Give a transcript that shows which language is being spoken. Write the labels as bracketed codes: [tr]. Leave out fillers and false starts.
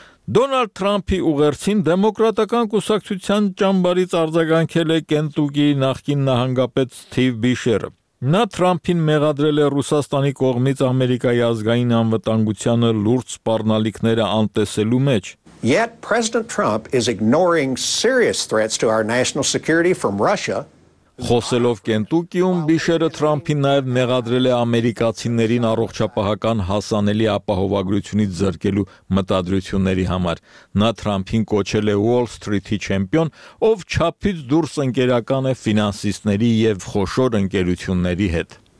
[hy] Դոնալդ Թրամփի ուղերձին դեմոկրատական կուսակցության ճամբարից արձագանքել է Կենտուկիի նախկին նահանգապետ Սթիվ Բիշերը։ Նա Թրամփին մեղադրել է Ռուսաստանի կողմից Ամերիկայի ազգային անվտանգությանը լուրջ սպառնալիքները անտեսելու մեջ։ [en] Yet President Trump is ignoring serious threats to our national security from Russia. [hy] Խոսելով Կենտուկիում, Բիշերը Թրամփին նաև մեղադրել է ամերիկացիներին առողջապահական հասանելի ապահովագրությունից զրկելու մտադրությունների համար։ Նա Թրամփին կոչել է Wall Street-ի չեմպիոն, ով չափից դուրս ընկերական է ֆինանսիստների և խոշոր ընկերությունների հետ։